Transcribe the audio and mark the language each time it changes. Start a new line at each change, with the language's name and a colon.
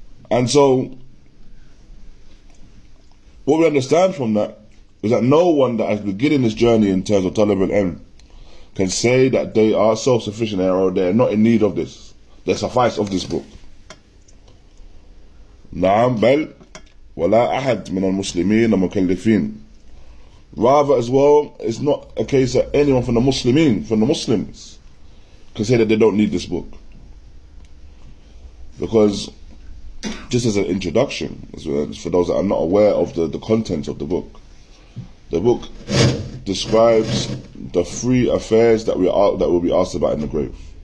English: And so, what we understand from that is that no one that is beginning this journey in terms of talib al-ilm can say that they are self-sufficient or they are not in need of this. They suffice of this book.
Arabic: نعم بل ولا أحد من المسلمين المكلفين.
English: Rather as well, it's not a case that anyone from the Muslimin, from the Muslims, can say that they don't need this book. Because, just as an introduction, for those that are not aware of the contents of the book describes the three affairs that we'll be asked about in the grave.